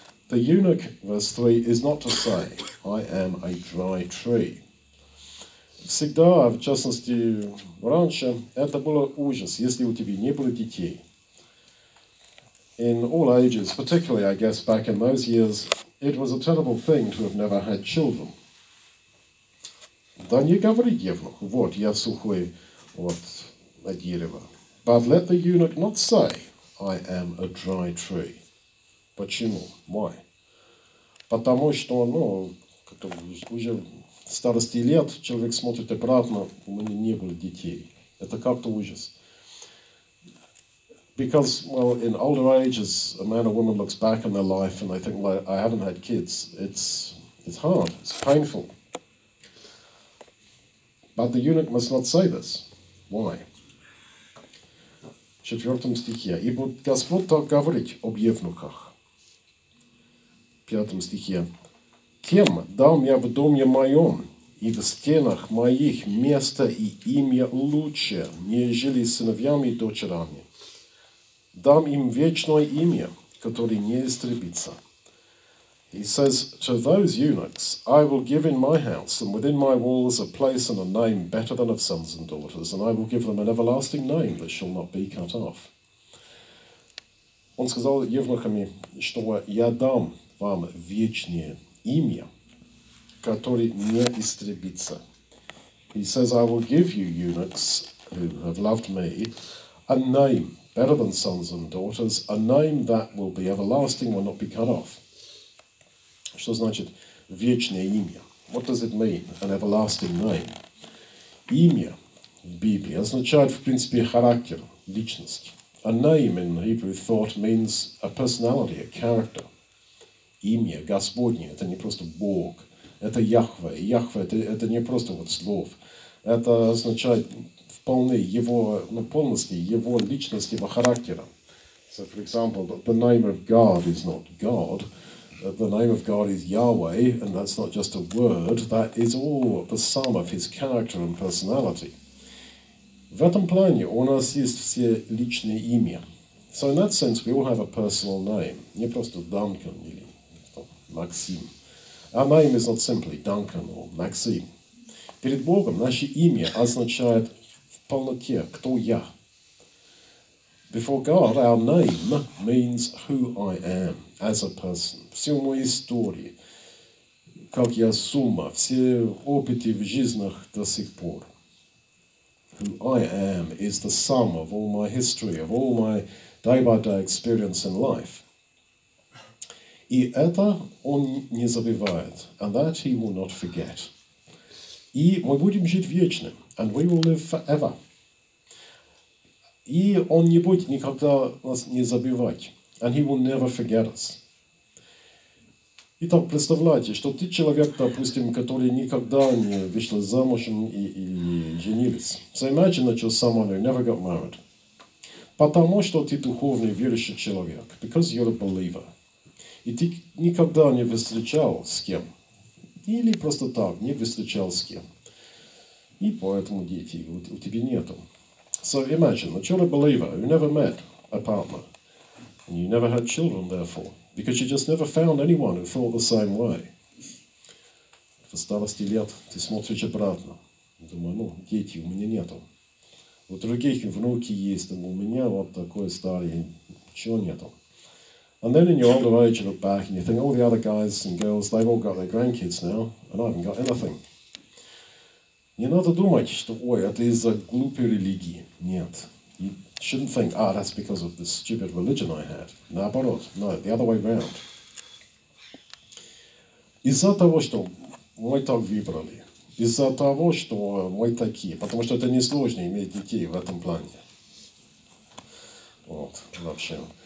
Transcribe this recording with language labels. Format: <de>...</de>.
<en>The eunuch, verse 3, is not to say, I am a dry tree.</en> <ru>Всегда, в частности, раньше, это было ужас, если у тебя не было детей.</ru> <en>In all ages, particularly, I guess, back in those years, it was a terrible thing to have never had children.</en> <ru>Да не говори евнух, вот я сухой от дерева.</ru> <en>But let the eunuch not say, I am a dry tree.</en> <ru>Почему?</ru> <en>Why?</en> <ru>потому что, ну, уже старости лет человек смотрит обратно, у меня не было детей. Это как-то ужас.</ru> <en>Because, well, in older ages, a man or woman looks back on their life and they think, well, I haven't had kids. It's hard. It's painful. But the eunuch must not say this. Why?</en> <ru>В четвертом стихе. Ибо Господь так говорит об евнухах. В пятом стихе. Кем дал мне в доме моем и в стенах моих место и имя лучше, нежели сыновьями и дочерами? Дам им вечное имя, которое не истребится.</ru> <en>He says, to those eunuchs, I will give in my house and within my walls a place and a name better than of sons and daughters, and I will give them an everlasting name that shall not be cut off.</en> <ru>Он сказал евнухам, что я дам вам вечное имя, которое не истребится.</ru> <en>He says, I will give you, eunuchs, who have loved me, a name better than sons and daughters, a name that will be everlasting, will not be cut off.</en> <ru>Что значит вечное имя?</ru> <en>What does it mean, an everlasting name?</en> <ru>Имя в Библии означает, в принципе, характер, личность.</ru> <en>A name in Hebrew thought means a personality, a character.</en> <ru>Имя, Господне, это не просто Бог. Это Яхве. Яхве это не просто вот слов. Это означает вполне его, ну, полностью его личность, его характера.</ru> <en>So, for example, the name of God is not God. The name of God is Yahweh, and that's not just a word, that is all the sum of his character and personality.</en> <ru>В этом плане у нас есть все личные имя.</ru> <en>So in that sense, we all have a personal name.</en> <ru>Не просто Duncan или Максим.</ru> <en>Our name is not simply Duncan or Maxim.</en> <ru>Перед Богом наше имя означает в полноте, кто я.</ru> <en>Before God, our name means who I am as a person.</en> <ru>Всю мою историю, как я сума, все опыты в жизнях до сих пор.</ru> <en>Who I am is the sum of all my history, of all my day-by-day experience in life.</en> <ru>И это он не забывает,</ru> <en>and that he will not forget.</en> <ru>И мы будем жить вечно,</ru> <en>and we will live forever.</en> <ru>И он не будет никогда нас не забывать.</ru> <en>And he will never forget us.</en> <ru>Итак, представляете, что ты человек, допустим, который никогда не вышел замуж и женился.</ru> <en>So imagine that you're someone who never got married.</en> <ru>Потому что ты духовный верующий человек.</ru> <en>Because you're a believer.</en> <ru>И ты никогда не встречал с кем. Или просто так, не встречал с кем. И поэтому детей у тебя нету.</ru> <en>So imagine that you're a believer who never met a partner, and you never had children, therefore, because you just never found anyone who thought the same way.</en> <ru>В старости лет ты смотришь обратно. Думаю, ну, дети у меня нету. У других внуки есть, но у меня вот такой старый, чего нету.</ru> <en>And then in your older age you look back and you think, all the other guys and girls, they've all got their grandkids now, and I haven't got anything.</en> <ru>Не надо думать, что, ой, это из-за глупой религии. Нет.</ru> <en>You shouldn't think, ah, that's because of the stupid religion I had.</en> <ru>Наоборот.</ru> <en>No, the other way around.</en> <ru>Из-за того, что мы так выбрали. Из-за того, что мы такие. Потому что это несложно иметь детей в этом плане. Вот, вообще.</ru>